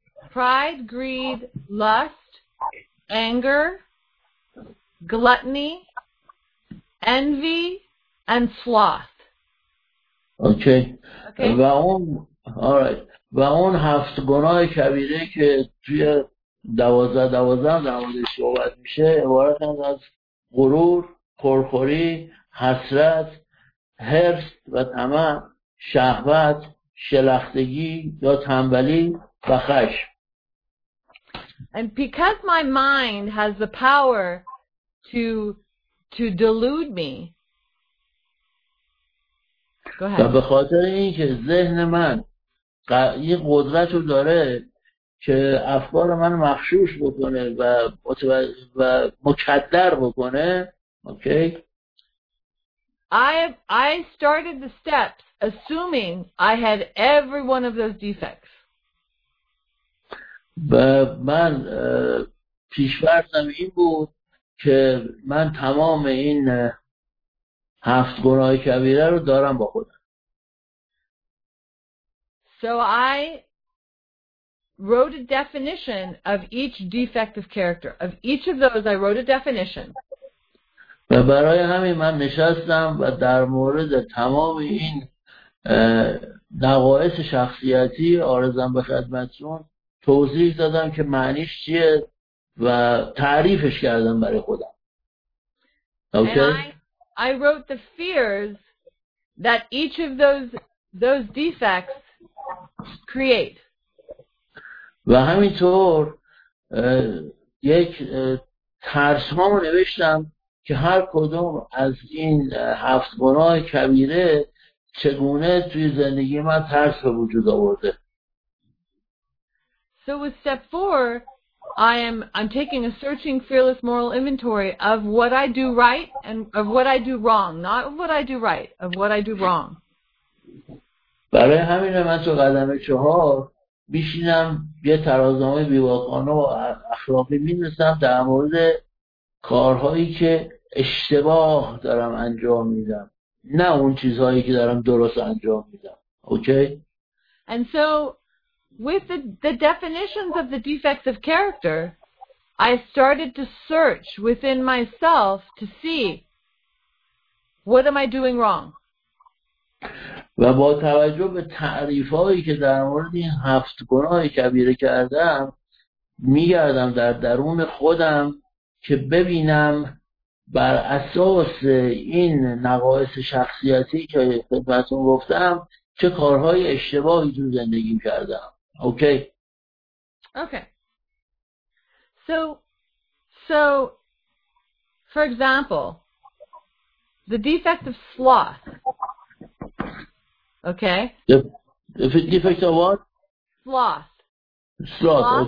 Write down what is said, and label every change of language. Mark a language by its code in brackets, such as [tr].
[en] Pride, greed, lust, anger, gluttony, envy, and sloth. Okay. Okay. All right. [fa] و اون هفت گناه کبیره که توی دوازده در مورد صحبت میشه عبارت از غرور، خورخوری، حسرت، حرص و طمع، شهوت، شلختگی یا تنبلی و خشم. [en] And because my mind has the power to delude me. [fa] و به خاطر این که ذهن من یه قدرت رو داره که افکار من مخشوش بکنه و مکدر بکنه. [en] Okay. I started the steps assuming I had every one of those defects. [fa] من پیش‌فرضم این بود که من تمام این 7 گناه کبیره رو دارم با خودم. [en] So I wrote a definition of each defect of character. Of each of those I wrote a definition. [fa] و برای همین من نشستم و در مورد تمام این نقایص شخصیتی عارضم به خدمتتون توضیح دادم که معنیش چیه و تعریفش کردم برای خودم. [en] Okay. And I wrote the fears that each of those defects create. [fa] و همینطور یک ترس ها نوشتم که هر کدوم از این 7 گناه کبیره چگونه توی زندگی من ترس به وجود آورده. [en] So with step 4, I'm taking a searching fearless moral inventory of what I do right and of what I do wrong, not of what I do right, of what I do wrong. [fa] برای همین من تو قدم 4 میشینم یه ترازنامه بیواکانه و اخلاقی می‌نویسم در مورد کارهایی که اشتباه دارم انجام میدم، نه اون چیزهایی که دارم درست انجام میدم. [en] Okay. And so with the definitions of the defects of character, I started to search within myself to see what am I doing wrong. [fa] و با توجه به تعریفهایی که در مورد این 7 گناه کبیره کردم میگردم در درون خودم که ببینم بر اساس این نقایص شخصیتی که خدمتتون گفتم چه کارهای اشتباهی تو زندگی کردم. [en] Okay. Okay. So for example, the defect of sloth. Okay. The defect of what? Sloth.